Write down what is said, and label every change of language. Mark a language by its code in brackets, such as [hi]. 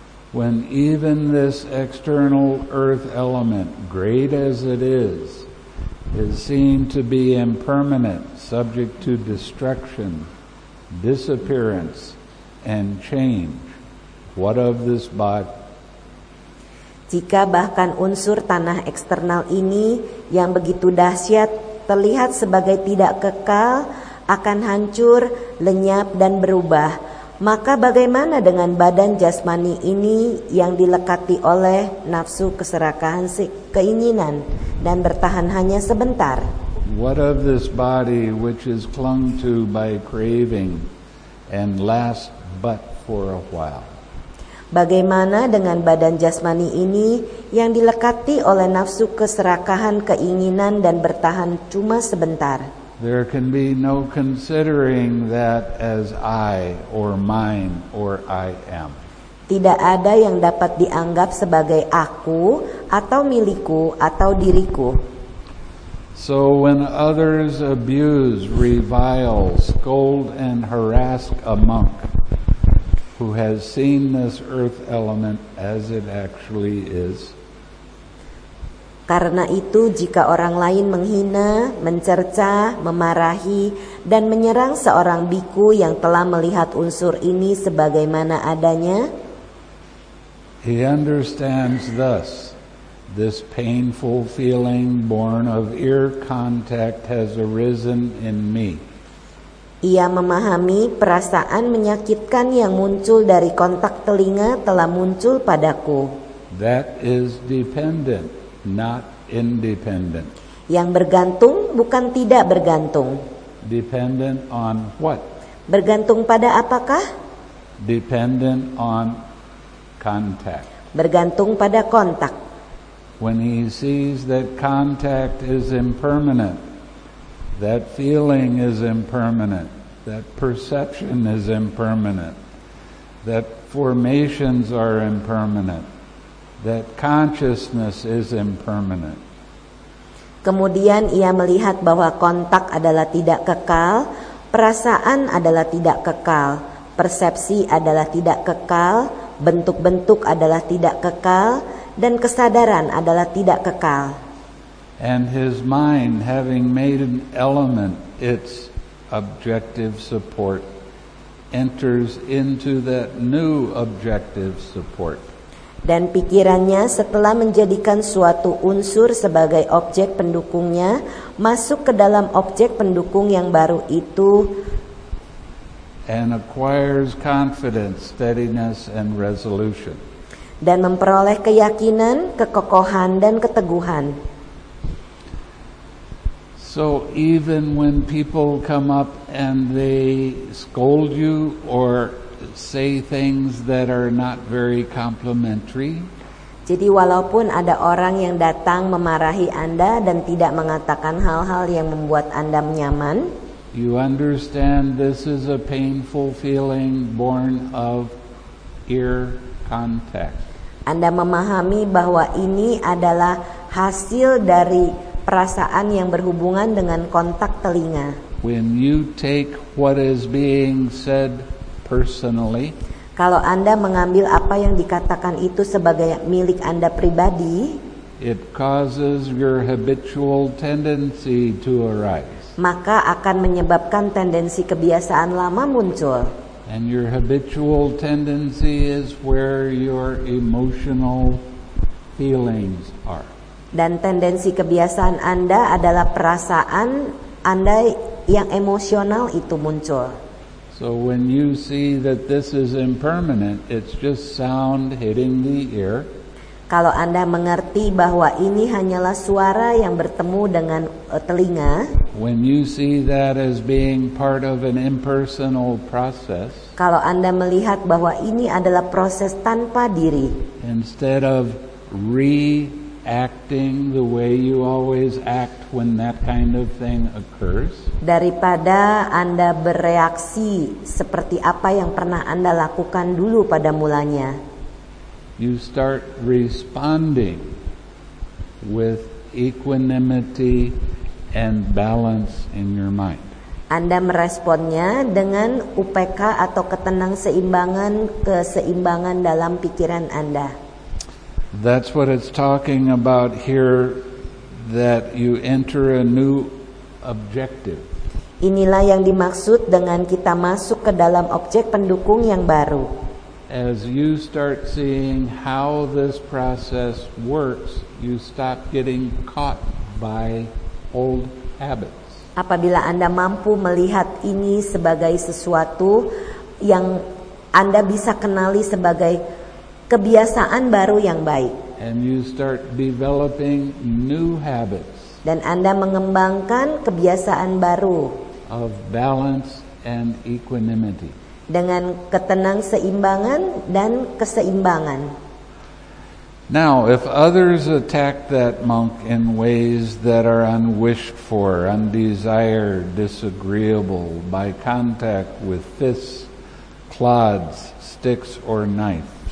[en] When even this external earth element, great as it is seen to be impermanent, subject to destruction, disappearance, and change, what of this body? [id] Jika bahkan unsur tanah eksternal ini yang begitu dahsyat terlihat sebagai tidak kekal, akan hancur, lenyap, dan berubah, maka bagaimana dengan badan jasmani ini yang dilekati oleh nafsu keserakahan keinginan dan bertahan hanya sebentar? [en] What of this body which is clung to by craving and lasts but for a while? [id] Bagaimana dengan badan jasmani ini yang dilekati oleh nafsu keserakahan keinginan dan bertahan cuma sebentar? [en] There can be no considering that as I or mine or I am. [id] Tidak ada yang dapat dianggap sebagai aku atau milikku atau diriku. [en] So when others abuse, revile, scold and harass a monk who has seen this earth element as it actually is. [id] Karena itu jika orang lain menghina, mencerca, memarahi, dan menyerang seorang bhikkhu yang telah melihat unsur ini sebagaimana adanya, [en] he understands thus, this painful feeling born of ear contact has arisen in me. [id] Ia memahami perasaan menyakitkan yang muncul dari kontak telinga telah muncul padaku. [en] That is dependent, not independent. [id] Yang bergantung bukan tidak bergantung. [en] Dependent on what? [id] Bergantung pada apakah? [en] Dependent on contact. [id] Bergantung pada kontak. [en] When he sees that contact is impermanent, that feeling is impermanent, that perception is impermanent, that formations are impermanent, that consciousness is impermanent. [id] Kemudian ia melihat bahwa kontak adalah tidak kekal, perasaan adalah tidak kekal, persepsi adalah tidak kekal, bentuk-bentuk adalah tidak kekal, dan kesadaran adalah tidak kekal. [en] And his mind, having made an element its objective support, enters into that new objective support. [id] Dan pikirannya setelah menjadikan suatu unsur sebagai objek pendukungnya, masuk ke dalam objek pendukung yang baru itu. [en] And acquires confidence, steadiness, and resolution. [id] Dan memperoleh keyakinan, kekokohan, dan keteguhan. [en] So even when people come up and they scold you or say things that are not very complimentary. [id] Jadi walaupun ada orang yang datang memarahi Anda dan tidak mengatakan hal-hal yang membuat Anda nyaman. [en] You understand this is a painful feeling born of ear contact. [id] Anda memahami bahwa ini adalah hasil dari perasaan yang berhubungan dengan kontak telinga. [en] When you take what is being said personally, [id] kalau Anda mengambil apa yang dikatakan itu sebagai milik Anda pribadi, [en] it causes your habitual tendency to arise. [id] Maka akan menyebabkan tendensi kebiasaan lama muncul. [en] And your habitual tendency is where your emotional feelings are. [id] Dan tendensi kebiasaan Anda adalah perasaan Anda yang emosional itu muncul. [en] So when you see that this is impermanent, it's just sound hitting the ear. [id] Kalau Anda mengerti bahwa ini hanyalah suara yang bertemu dengan telinga. [en] When you see that as being part of an impersonal process. [id] Kalau Anda melihat bahwa ini adalah proses tanpa diri. [en] Instead of re acting the way you always act when that kind of thing occurs? [id] Daripada Anda bereaksi seperti apa yang pernah Anda lakukan dulu pada mulanya. [en] You start responding with equanimity and balance in your mind. [id] Anda meresponnya dengan UPK atau ketenang seimbangan, keseimbangan dalam pikiran Anda. [en] That's what it's talking about here, that you enter a new objective. [id] Inilah yang dimaksud dengan kita masuk ke dalam objek pendukung yang baru. [en] As you start seeing how this process works, you stop getting caught by old habits. [id] Apabila Anda mampu melihat ini sebagai sesuatu yang Anda bisa kenali sebagai kebiasaan baru yang baik. [en] And you start developing new habits. [id] Dan Anda mengembangkan kebiasaan baru. [en] Of balance and equanimity. [id] Dengan ketenang seimbangan dan keseimbangan. [en] Now, if others attack that monk in ways that are unwished for, undesired, disagreeable, by contact with fists, clods, sticks, or knives.